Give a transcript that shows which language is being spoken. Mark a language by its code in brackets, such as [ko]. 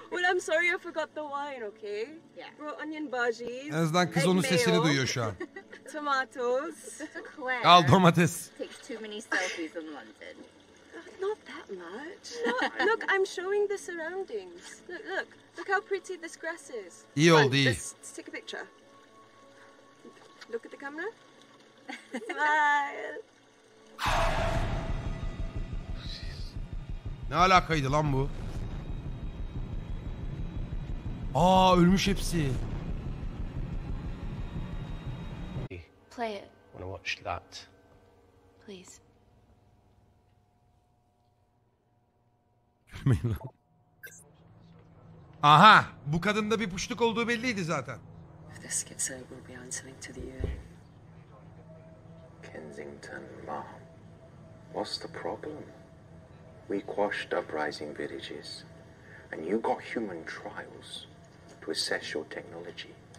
[en] Well, I'm sorry I forgot the wine, okay? Yeah. Brought onion bhajis. [tr] En azından kız onun sesini duyuyor şu an. [en] Tomatoes. Claire. [tr] Al domates. [en] Takes too many selfies in London. Not that much. No, look, I'm showing the surroundings. Look, look. Look how pretty this grass is. [tr] İyi oldu, iyi. [en] Let's take a picture. Look at the camera. Smile. [tr] Ne alakaydı lan bu? Aa, ölmüş hepsi. [en] Play it. Wanna watch that? Please. [tr] Aha, bu kadında bir puşluk olduğu belliydi zaten. [en] If this gets out, we'll be answering to the UN. Kensington, ma'am. What's the problem? We quashed uprising villages, and you got human trials to assess your technology.